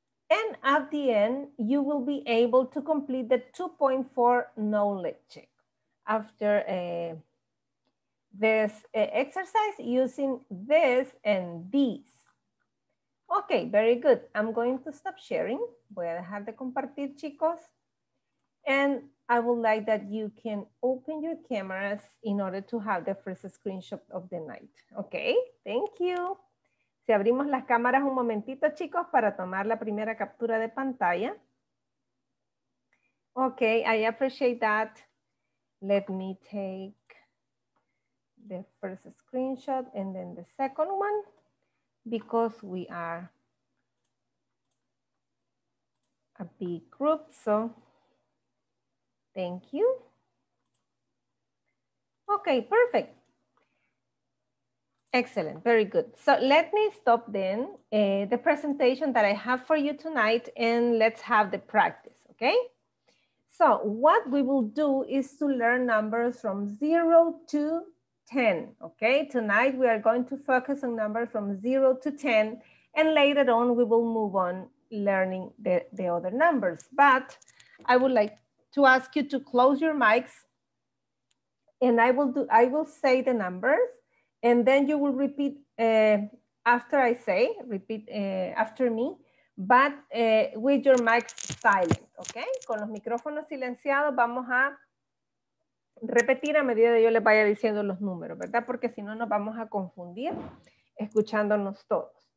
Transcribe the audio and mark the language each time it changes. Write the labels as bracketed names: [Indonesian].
[English] And at the end, you will be able to complete the 2.4 knowledge check after this exercise using this and these. Okay, very good. I'm going to stop sharing. [Spanish] Voy a dejar de compartir, chicos. [English] And I would like that you can open your cameras in order to have the first screenshot of the night. Okay, thank you. [Spanish] Si abrimos las cámaras un momentito, chicos, para tomar la primera captura de pantalla. [English] Okay, I appreciate that. Let me take the first screenshot and then the second one because we are a big group, so. Thank you. Okay, perfect. Excellent, very good. So let me stop then the presentation that I have for you tonight and let's have the practice, Okay? So what we will do is to learn numbers from 0 to 10. Okay? Tonight we are going to focus on numbers from 0 to 10. And later on, we will move on learning the other numbers. But I would like to ask you to close your mics. And I will say the numbers. And then you will repeat after me, but with your mic silent, okay? [Spanish] Con los micrófonos silenciados vamos a repetir a medida que yo les vaya diciendo los números, ¿verdad? Porque si no nos vamos a confundir escuchándonos todos.